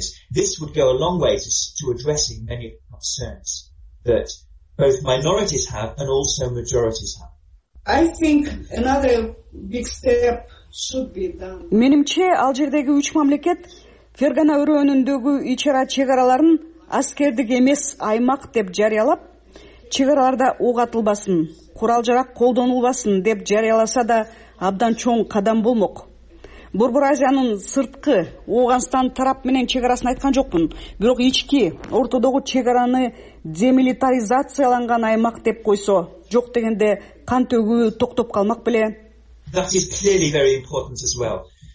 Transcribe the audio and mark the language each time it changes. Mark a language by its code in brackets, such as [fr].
[en] This would go a long way to addressing many concerns that both minorities have and also majorities have. I think another big step should be done. [ky] Менимче ал жердеги үч мамлекет Фергана өрөөнүндөгү ич ара чегараларын аскердик эмес аймак деп жарыялап, чегараларда ок атылбасын, курал жарак колдонулбасын деп жарыяласа да абдан чоң кадам болмок. Борбор Азиянын сырткы Ооганстан тарап менен чегарасын айткан жокмун, бирок ички ортодогу чегараны демилитаризацияланган аймак деп койсо, жок дегенде кан төгүү токтоп калмак беле. [en] That is clearly very important as well.